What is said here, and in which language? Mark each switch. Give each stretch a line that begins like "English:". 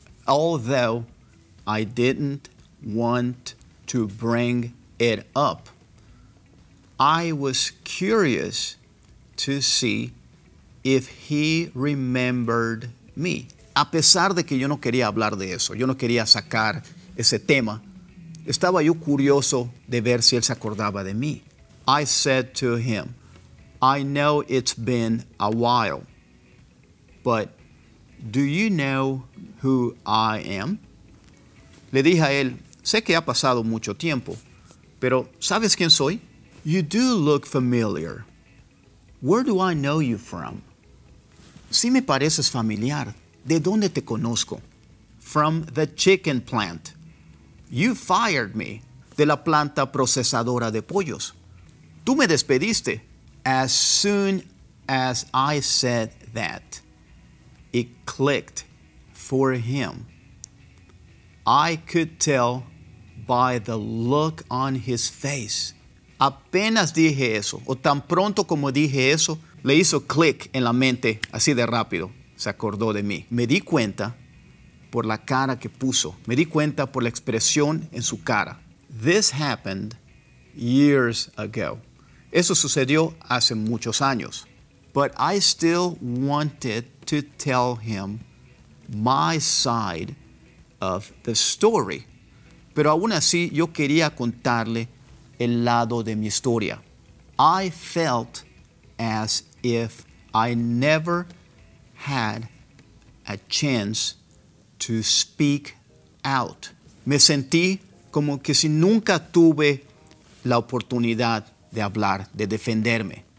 English: Although I didn't want to bring it up, I was curious to see if he remembered me.
Spanish: A pesar de que yo no quería hablar de eso, yo no quería sacar ese tema, estaba yo curioso de ver si él se acordaba de mí.
English: I said to him, I know it's been a while, but do you know who I am?
Spanish: Le dije a él, sé que ha pasado mucho tiempo, pero ¿sabes quién soy?
English: You do look familiar. Where do I know you from?
Spanish: Sí me pareces familiar. ¿De dónde te conozco?
English: From the chicken plant. You fired me.
Spanish: De la planta procesadora de pollos. Tú me despediste.
English: As soon as I said that, it clicked for him. I could tell by the look on his face.
Spanish: Apenas dije eso, o tan pronto como dije eso, le hizo click en la mente, así de rápido, se acordó de mí. Me di cuenta por la cara que puso. Me di cuenta por la expresión en su cara.
English: This happened years ago.
Spanish: Eso sucedió hace muchos años.
English: But I still wanted to tell him my side of the story.
Spanish: Pero aún así, yo quería contarle el lado de mi historia.
English: I felt as if I never had a chance to speak out.
Spanish: Me sentí como que si nunca tuve la oportunidad de hablar, de defenderme.